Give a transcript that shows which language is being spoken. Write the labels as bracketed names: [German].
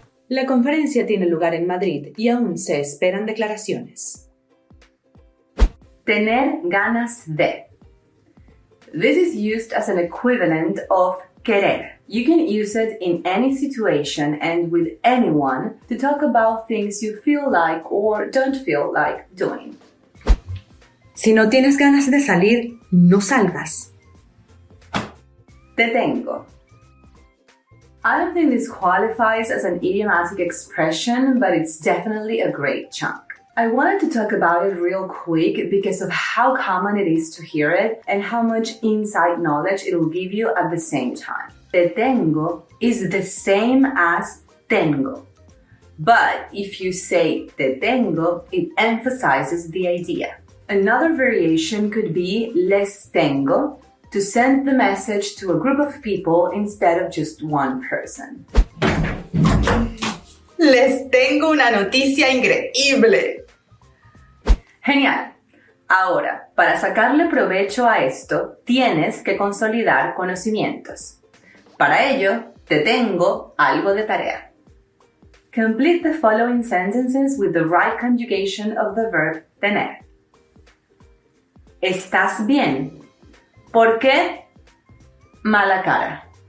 [Spanish] La conferencia tiene lugar en Madrid y aún se esperan declaraciones. Tener ganas de. [English] This is used as an equivalent of querer. You can use it in any situation and with anyone to talk about things you feel like or don't feel like doing. [Spanish] Si no tienes ganas de salir, no salgas. Te tengo. [English] I don't think this qualifies as an idiomatic expression, but it's definitely a great chunk. I wanted to talk about it real quick because of how common it is to hear it and how much inside knowledge it will give you at the same time. Te tengo is the same as tengo. But if you say te tengo, it emphasizes the idea. Another variation could be les tengo, to send the message to a group of people instead of just one person. [Spanish] Les tengo una noticia increíble. Genial. Ahora, para sacarle provecho a esto, tienes que consolidar conocimientos. Para ello, te tengo algo de tarea. [English] Complete the following sentences with the right conjugation of the verb tener. [Spanish] ¿Estás bien? ¿Por qué? Mala cara.